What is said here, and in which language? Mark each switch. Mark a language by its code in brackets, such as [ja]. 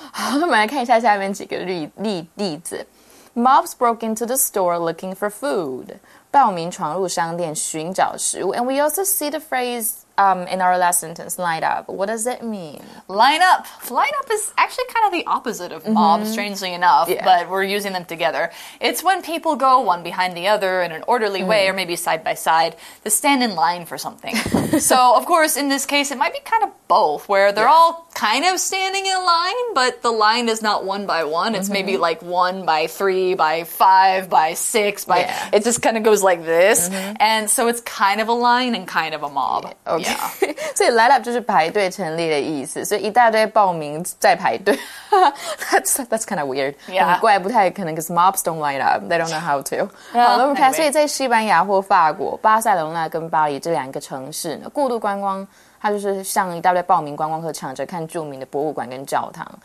[zh] 好，我们来看一下下面几个例子。 [en] Mobs broke into the store looking for food. [zh] 暴民闯入商店寻找食物。 [en] And we also see the phrase in our last sentence, line up. What does it mean? Line up. Line up is actually kind of the opposite of mob, mm-hmm. strangely enough, yeah. but we're using them together. It's when people go one behind the other in an orderly way, or maybe side by side, to stand in line for something. So, of course, in this case, it might be kind of both, where they're all kind of standing in line, but the line is not one by one. It's maybe like one by three, by five, by six, by... Yeah. It just kind of goes like this. Mm-hmm. And so it's kind of a line and kind of a mob. Yeah. Okay. Yeah. [zh] 所以 line up 就是排队成立的意思。所以一大堆报名在排队。 [en] that's kind of weird. Yeah. [zh] 很怪不太可能 [en] because mobs don't line up. They don't know how to. Yeah, anyway. [zh] 所以在西班牙或法国巴塞隆纳跟巴黎这两个城市呢过度观光它就是像一大堆报名观光客抢着看著名的博物馆跟教堂。